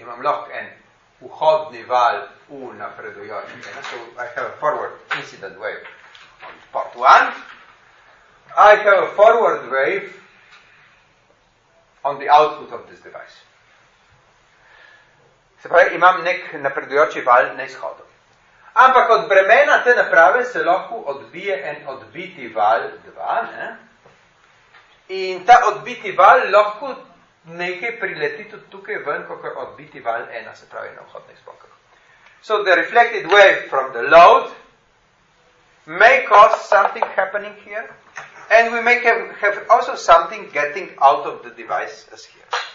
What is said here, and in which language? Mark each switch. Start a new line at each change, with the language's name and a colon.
Slovenian: Imam lahko en uhodni val u napredujoči.
English: So I have a forward incident wave. Port 1, I have a forward wave on the output of this device.
Slovenian: Se pravi, imam nek napredujoči val na izhodu. Ampak od bremena te naprave se lahko odbije en odbiti val 2, ne? In ta odbiti val lahko nekaj prileti tudi tukaj ven, kakor odbiti val 1, se pravi na vhodnih spokah.
English: So the reflected wave from the load may cause something happening here, and we may have also something getting out of the device as here.